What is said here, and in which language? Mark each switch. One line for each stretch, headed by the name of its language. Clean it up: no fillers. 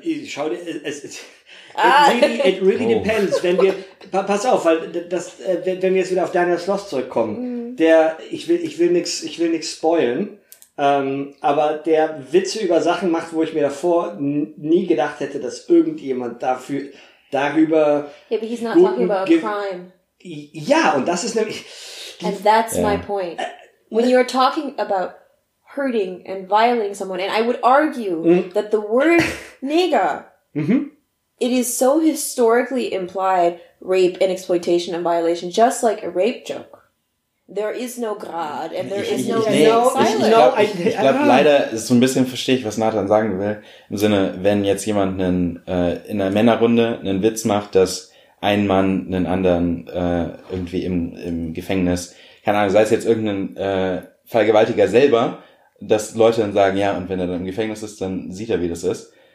English: It really depends.
German: Wenn wir, pass auf, weil das, wenn wir jetzt wieder auf Daniel Sloss zurückkommen, ich will nichts spoilen, aber der Witze über Sachen macht, wo ich mir davor nie gedacht hätte, dass irgendjemand darüber.
English: Yeah, but he's not talking about crime.
German: Ja, und das ist nämlich.
English: And that's my point. When you're talking about hurting and violating someone, and I would argue that the word nigger, it is so historically implied rape and exploitation and violation, just like a rape joke. There is no Grad and there is no Silence.
German: Ich glaube, leider ist so ein bisschen, verstehe ich, was Nathan sagen will. Im Sinne, wenn jetzt jemand in einer Männerrunde einen Witz macht, dass ein Mann einen anderen irgendwie im Gefängnis, keine Ahnung, sei es jetzt irgendein Vergewaltiger selber, dass Leute dann sagen, ja, und wenn er dann im Gefängnis ist, dann sieht er, wie das ist.